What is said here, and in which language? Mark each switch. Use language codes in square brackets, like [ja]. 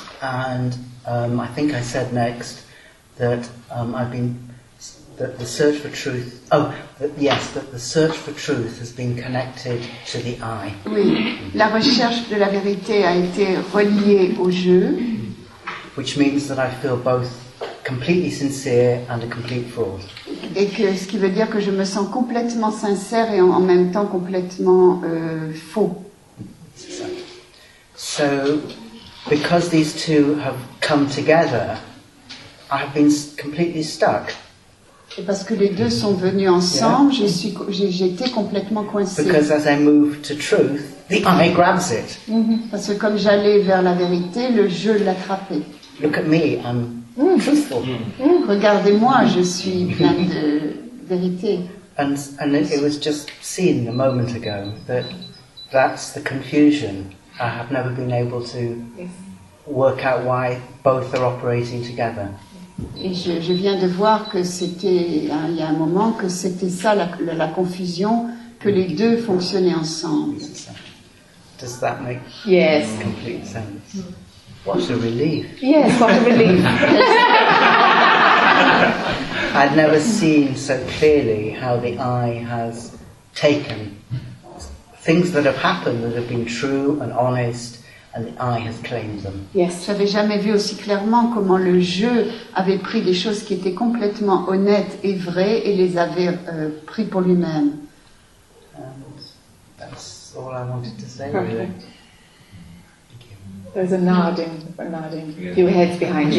[en] And I think I said next that I've been. That the search for truth. Oh, that, yes, that the search for truth has been connected to the I. [fr] Oui, la recherche de la vérité a été reliée au je. [en] Which means that I feel both completely sincere and a complete fraud. [fr] Et que ce qui veut dire que je me sens complètement sincère et en même temps complètement faux. [en] So, because these two have come together, I have been completely stuck. [fr] Et parce que les deux sont venus ensemble, j'étais complètement coincée. [en] Because as I move to truth, the I grabs it. [fr] Parce que comme j'allais vers la vérité, le je l'attrapait. [en] Look at me, I'm truthful. [fr] Regardez-moi, je suis plein de vérité. [en] And it was just seen a moment ago that's the confusion. I have never been able to work out why both are operating together. [fr] Et je viens de voir que c'était, hein, il y a un moment, que c'était ça la confusion, que les deux fonctionnaient ensemble. [en] Does that make yes. complete sense? What a relief! Yes, what a relief! I've never seen so clearly how the I has taken things that have happened that have been true and honest. And I have claimed them. Yes. [fr] Je n'avais jamais vu aussi clairement comment le je avait pris des choses qui étaient complètement honnêtes et vraies et les avait pris pour lui-même. [en] That's all I wanted to say. Really. There's a nodding. Yeah. Few heads behind you.